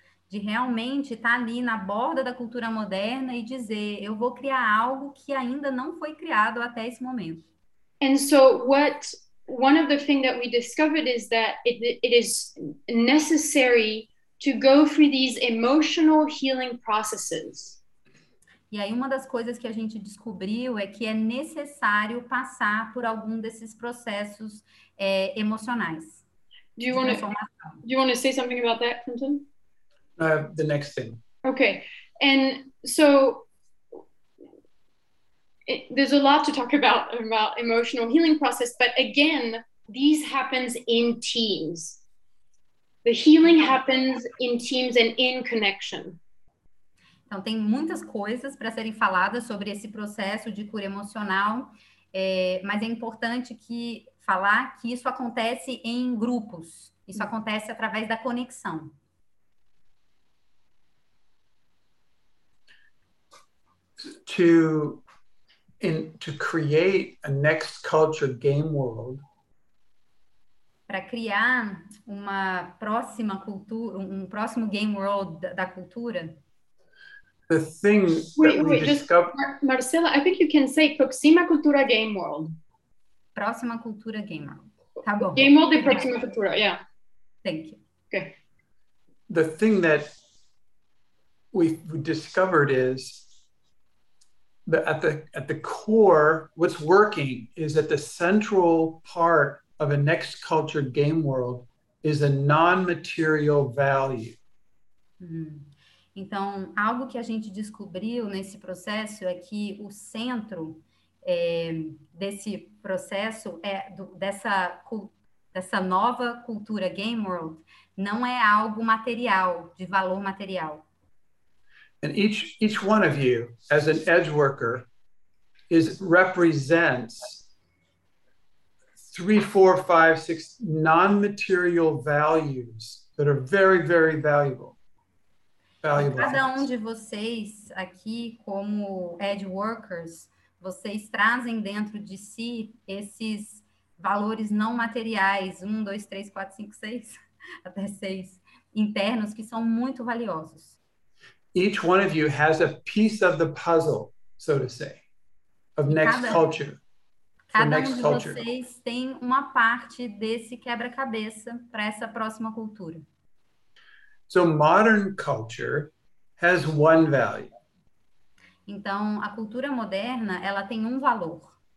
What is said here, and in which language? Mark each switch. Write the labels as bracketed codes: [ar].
[pt] de realmente estar ali na borda da cultura moderna e dizer, eu vou criar algo que ainda não foi criado até esse momento. [en] And so what one of the things that we discovered is that it is necessary to go through these emotional healing processes. [pt] E aí, uma das coisas que a gente descobriu é que é necessário passar por algum desses processos emocionais [en] Do you [pt] de [en] want to [pt] transformação. [en] say something about that, Clinton? The next thing. Okay. And so there's a lot to talk about emotional healing process, but again, these happens in teams. The healing happens in teams and in connection. [pt] Então, tem muitas coisas para serem faladas sobre esse processo de cura emocional, mas é importante que falar que isso acontece em grupos. Isso acontece através da conexão. [en] To create a next culture game world. [pt] Para criar uma próxima cultura, um próximo game world da cultura. [en] The thing discovered. Marcela, I think you can say Proxima Cultura Game World. [pt] Próxima cultura game world. Tá bom. [en] Game World e Proxima Cultura, yeah. Thank you. Okay. The thing that we discovered is that at the core, what's working is that the central part of a next culture game world is a non-material value. [pt] Então, algo que a gente descobriu nesse processo é que o centro desse processo, dessa nova cultura game world, não é algo material, de valor material. [en] And each one of you, as an edge worker, represents 3, 4, 5, 6 non-material values that are very, very valuable. [pt] Cada um de vocês aqui, como edge workers, vocês trazem dentro de si esses valores não materiais, 1, 2, 3, 4, 5, 6, até 6, internos, que são muito valiosos. [en] Each one of you has a piece of the puzzle, so to say, of next culture. [pt] Cada um de vocês tem uma parte desse quebra-cabeça para essa próxima cultura. [en] So modern culture has one value. [pt] Então, a cultura moderna, ela tem um valor.